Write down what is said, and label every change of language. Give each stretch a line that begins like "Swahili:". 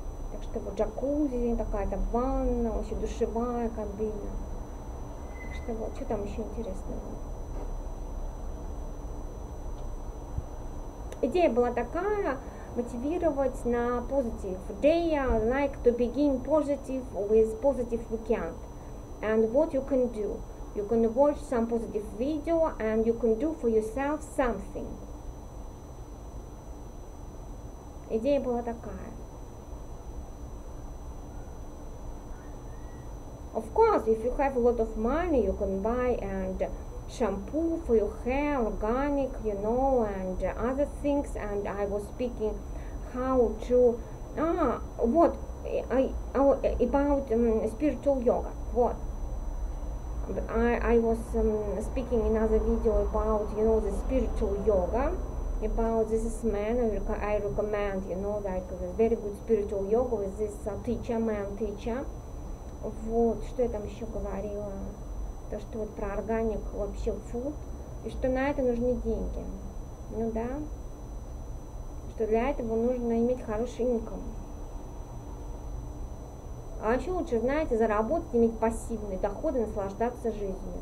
Russian: Так что вот джакузи, такая-то ванна, вообще душевая кабина. Так что вот, что там еще интересного? Идея была такая, мотивировать на позитив.
English: Day I like to begin positive with positive weekend. And what you can do? You can watch some positive video and you can do for yourself something.
Russian: Идея была такая.
English: Of course, if you have a lot of money, you can buy and shampoo for your hair, organic, you know, and other things. And I was speaking how to, what, about spiritual yoga, what? But I was speaking in another video about, you know, the spiritual yoga, about this man I recommend, you know, like a very good spiritual yoga with this teacher, man teacher.
Russian: Вот, что я там еще говорила, то, что вот про органик вообще фуд, и что на это нужны деньги, ну да, что для этого нужно иметь хороший инком. А еще лучше, знаете, заработать, иметь пассивный доход и наслаждаться жизнью.